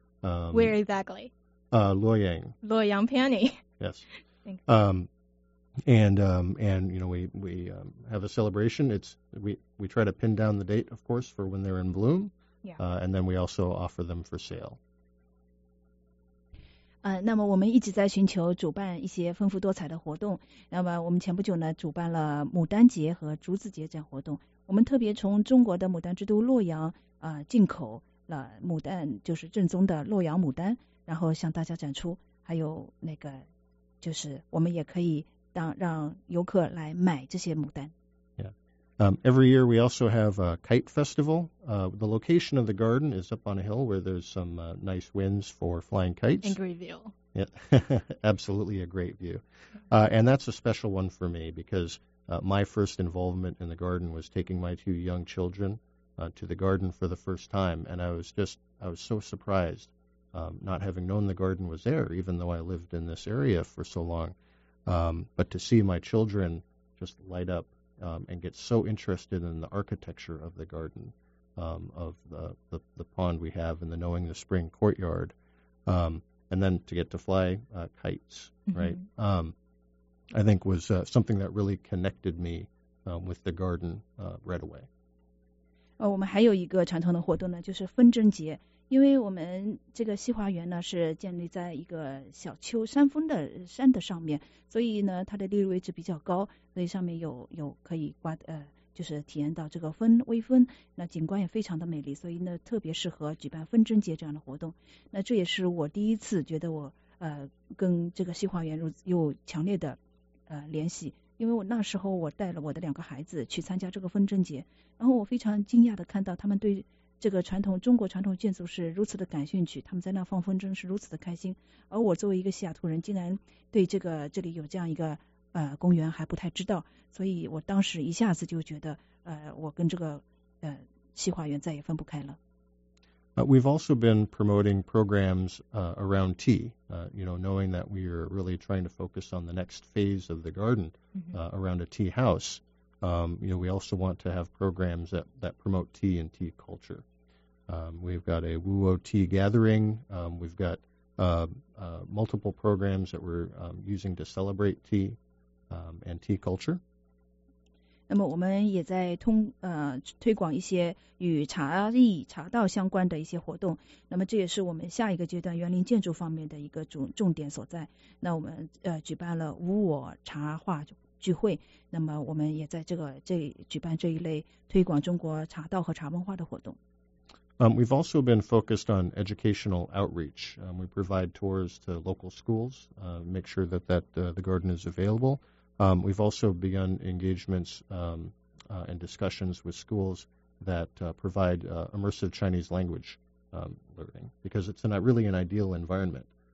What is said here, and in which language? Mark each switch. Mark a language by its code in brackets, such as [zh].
[en] Where exactly? Luoyang. Luoyang peony. Yes. Thank you. We have a celebration. We try to pin down the date, of course, for when they're in bloom. Yeah. And then we also offer them for sale. [zh] 那么我们一直在寻求主办一些丰富多彩的活动。那么我们前不久呢，主办了牡丹节和竹子节这样活动。我们特别从中国的牡丹之都洛阳进口了牡丹，就是正宗的洛阳牡丹，然后向大家展出。还有那个，就是我们也可以让游客来买这些牡丹。 [en] Every year we also have a kite festival. The location of the garden is up on a hill where there's some nice winds for flying kites. And great view. Yeah, absolutely a great view. And that's a special one for me because my first involvement in the garden was taking my two young children to the garden for the first time. And I was so surprised, not having known the garden was there, even though I lived in this area for so long. But to see my children just light up. and get so interested in the architecture of the garden, of the pond we have and the Knowing the Spring courtyard, and then to get to fly kites, mm-hmm. right? I think was something that really connected me with the garden right away. [zh] 哦，我们还有一个传统的活动呢，就是风筝节。因为我们这个西华园呢是建立在一个小丘山峰的山的上面，所以呢它的地理位置比较高，所以上面有可以挂就是体验到这个风微风，那景观也非常的美丽，所以呢特别适合举办风筝节这样的活动。那这也是我第一次觉得我跟这个西华园有强烈的联系。因为我那时候我带了我的两个孩子去参加这个风筝节，然后我非常惊讶的看到他们对这个传统中国传统建筑是如此的感兴趣，他们在那放风筝是如此的开心，而我作为一个西雅图人竟然对这个这里有这样一个公园还不太知道，所以我当时一下子就觉得我跟这个西华园再也分不开了。 [en] We've also been promoting programs around tea, you know, knowing that we are really trying to focus on the next phase of the garden around a tea house. You know, we also want to have programs that promote tea and tea culture. We've got a Wuo tea gathering. We've got multiple programs that we're using to celebrate tea and tea culture. [zh] 那么我们也在推广一些与茶艺茶道相关的一些活动，那么这也是我们下一个阶段园林建筑方面的一个重点所在。那我们举办了无我茶话聚会，那么我们也在这举办这一类推广中国茶道和茶文化的活动。 [en] We've also been focused on educational outreach. We provide tours to local schools, make sure that the garden is available. We've also begun engagements and discussions with schools that provide immersive Chinese language learning, because it's not really an ideal environment.